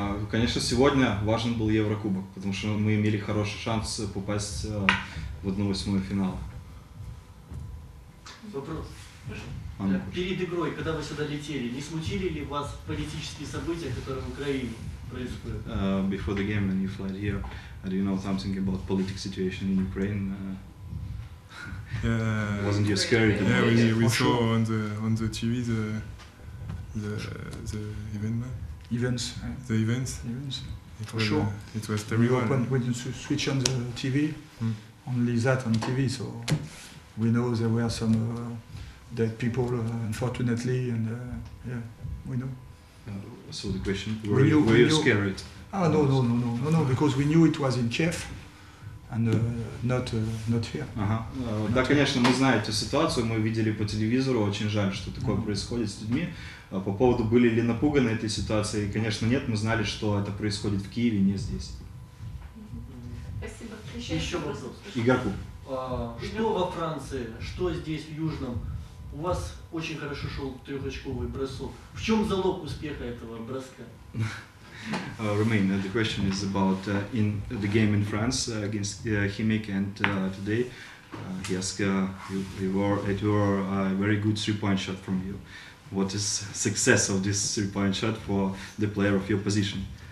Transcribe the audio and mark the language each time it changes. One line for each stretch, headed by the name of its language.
Russian: Конечно, сегодня важен был Еврокубок, потому что мы имели хороший шанс попасть в 1/8 финала. Вопрос. Перед игрой, когда вы сюда летели, не смутили ли вас политические события, которые в Украине происходят?
English: Before the game, when you flight here, do you know something about political situation in Ukraine? Wasn't you scared? Yeah, we saw on the TV the event, man. Events. The events. Events. It was, sure. It was terrible. We opened, when you switch on the TV, only that on TV, so we know there were some dead people, unfortunately, and we know. So the question, were you scared? No, because we knew it was in Kiev. And not here.
Russian: Да, конечно, мы знаем эту ситуацию, мы видели по телевизору, очень жаль, что такое происходит с людьми. По поводу, были ли напуганы этой ситуацией, конечно, нет, мы знали, что это происходит в Киеве, не здесь. Спасибо. Еще вопрос. Игорку. Что во Франции, что здесь в Южном? У вас очень хорошо шел трехочковый бросок. В чем залог успеха этого броска?
English: Romain, the question is about in the game in France against Chimik and today he asked you were a very good three-point shot from you. What is success of this three-point shot for the player of your position?